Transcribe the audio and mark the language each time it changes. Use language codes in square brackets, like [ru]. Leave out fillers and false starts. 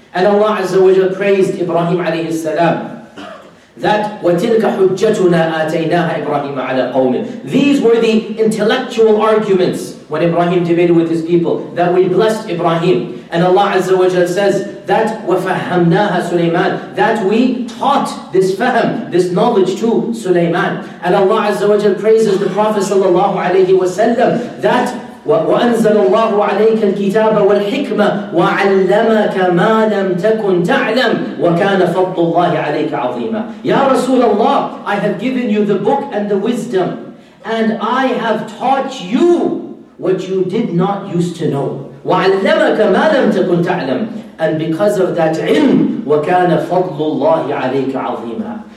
[en] And Allah Azza wa Jalla praised Ibrahim alayhi salam, that [ar] وَتِلْكَ حُجَّتُنَا آتَيْنَاهَا إِبْرَاهِيمَ عَلَىٰ قَوْمٍ. [en] These were the intellectual arguments when Ibrahim debated with his people, that we blessed Ibrahim. And Allah Azza wa Jal says that [ar] وَفَهَّمْنَاهَا سُلَيْمَانَ, [en] that we taught this fahm, this knowledge to Sulaiman. And Allah Azza wa Jal praises the Prophet sallallahu alayhi wa sallam, that [ar] وَأَنزَلَ اللَّهُ عَلَيْكَ الْكِتَابَ وَالْحِكْمَةَ وَعَلَّمَكَ مَا لَمْ تَكُنْ تَعْلَمْ وَكَانَ فَضْلُ اللَّهِ عَلَيْكَ عَظِيمًا. [en] Ya Rasulullah, I have given you the book and the wisdom, and I have taught you what you did not used to know. [ar] وَعَلَّمَكَ مَا لَمْ تَكُنْ تَعْلَمْ. [en] And because of that ilm, [ar] وَكَانَ فَضْلُ اللَّهِ عَلَيْكَ عَظِيمًا.